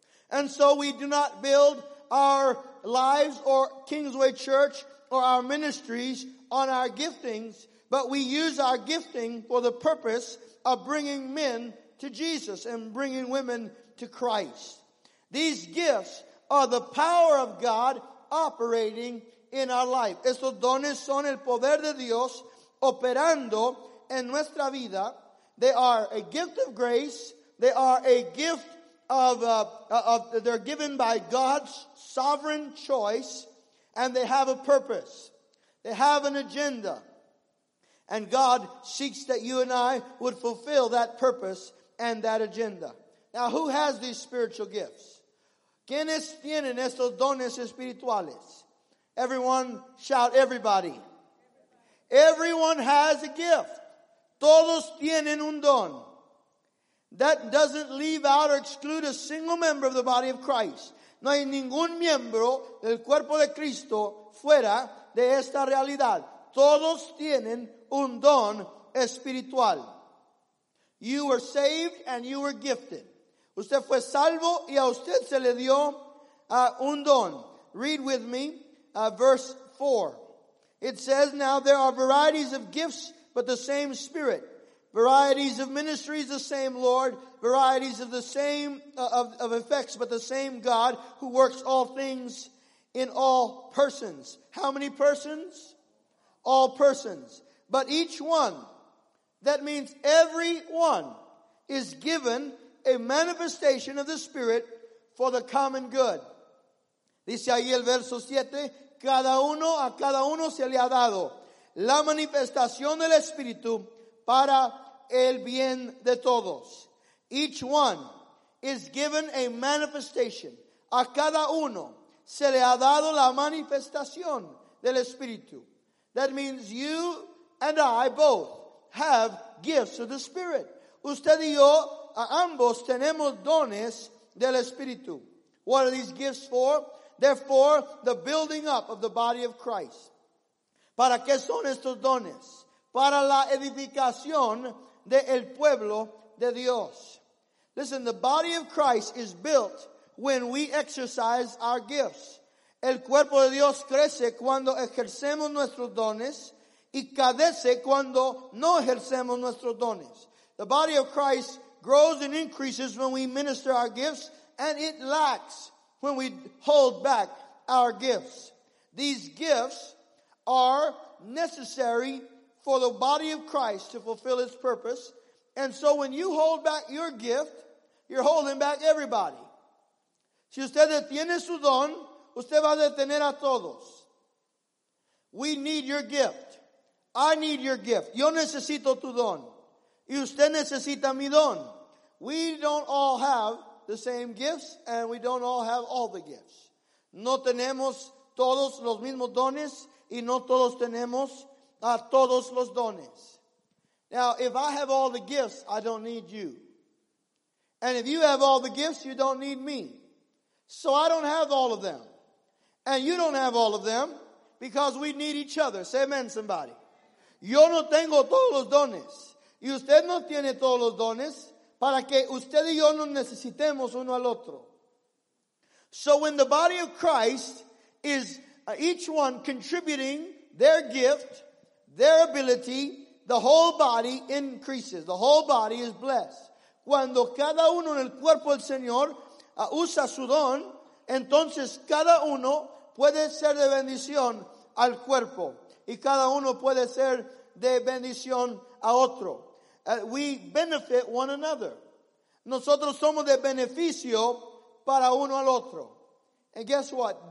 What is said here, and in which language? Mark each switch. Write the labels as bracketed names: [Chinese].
[English] And so we do not build our lives or Kingsway Church or our ministries on our giftings, but we use our gifting for the purpose of bringing men to Jesus and bringing women to Christ. These gifts are the power of God operating in our life. [Spanish] Estos dones son el poder de Dios operando en nuestra vida. [English] They are a gift of grace. They are a gift of they're given by God's sovereign choice, and they have a purpose. They have an agenda. And God seeks that you and I would fulfill that purpose and that agenda. Now, who has these spiritual gifts? [Spanish] ¿Quiénes tienen estos dones espirituales? [English] Everyone, shout everybody. Everyone has a gift. [Spanish] Todos tienen un don. [English] That doesn't leave out or exclude a single member of the body of Christ. [Spanish] No hay ningún miembro del cuerpo de Cristo fuera de esta realidad. Todos tienen un don espiritual. [English] You were saved and you were gifted. [Spanish] Usted fue salvo y a usted se le dio un don. [English] Read with me verse 4. It says, now there are varieties of gifts, but the same Spirit. Varieties of ministries, the same Lord. Varieties of the same of effects, but the same God who works all things in all persons. How many persons? All persons. But each one, that means everyone, is given a manifestation of the Spirit for the common good. [Spanish] Dice ahí el verso 7, cada uno a cada uno se le ha dado la manifestación del Espíritu para el bien de todos. [English] Each one is given a manifestation. [Spanish] A cada uno se le ha dado la manifestación del Espíritu. [English] That means you and I both have gifts of the Spirit. [Spanish] Usted y yo, ambos tenemos dones del Espíritu. [English] What are these gifts for? Therefore, the building up of the body of Christ. [Spanish] ¿Para qué son estos dones? Para la edificación del pueblo de Dios. [English] Listen, the body of Christ is built when we exercise our gifts. [Spanish] El cuerpo de Dios crece cuando ejercemos nuestros dones y cadece cuando no ejercemos nuestros dones. [English] The body of Christ grows and increases when we minister our gifts, and it lacks when we hold back our gifts. These gifts are necessary for the body of Christ to fulfill its purpose. And so when you hold back your gift, you're holding back everybody. [Spanish] Si usted detiene su don, usted va a detener a todos. [English] We need your gift. I need your gift. [Spanish] Yo necesito tu don. Y usted necesita mi don. [English] We don't all have the same gifts, and we don't all have all the gifts. [Spanish] No tenemos todos los mismos dones, y no todos tenemos a todos los dones. [English] Now, if I have all the gifts, I don't need you. And if you have all the gifts, you don't need me. So I don't have all of them. And you don't have all of them because we need each other. Say amen, somebody. [Spanish] Yo no tengo todos los dones. Y usted no tiene todos los dones para que usted y yo nos necesitemos uno al otro. [English] So when the body of Christ is each one contributing their gift, their ability, the whole body increases. The whole body is blessed. [Spanish] Cuando cada uno en el cuerpo del Señor usa su don, entonces cada uno puede ser de bendición al cuerpo. Y cada uno puede ser de bendición a otro. [English] We benefit one another. [Spanish] Nosotros somos de beneficio para uno al otro. [English] And guess what?